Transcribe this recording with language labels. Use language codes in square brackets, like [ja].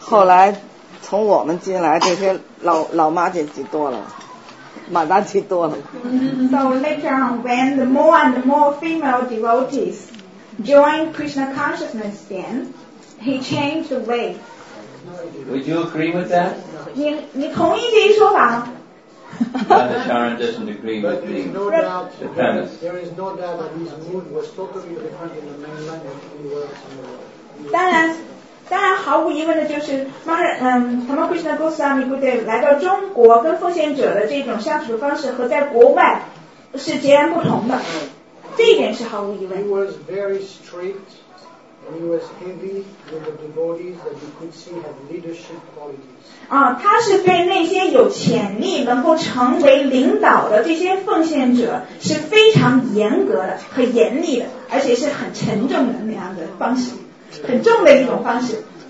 [zh] 后来从我们进来，这些老妈姐就多了，马大姐多了。 [en] So later on, when the more and more female devotees join Krishna consciousness, then he changed the way. Would you agree with that? [zh] 你同意这一说法吗？ [en] Vanacharan doesn't agree with me. No the premise. There is no doubt that his mood was totally different in the mainland and anywhere else in the world. [zh] 当然毫无疑问的就是Tamakrishna Goswami 部队来到中国跟奉献者的这种相处方式和在国外是截然不同的，这一点是毫无疑问。 [en] He was very strict and he was heavy with the devotees that you could see had leadership qualities. [zh] 他是对那些有潜力能够成为领导的这些奉献者是非常严格的和严厉的，而且是很沉重的那样的方式，很重的一种方式。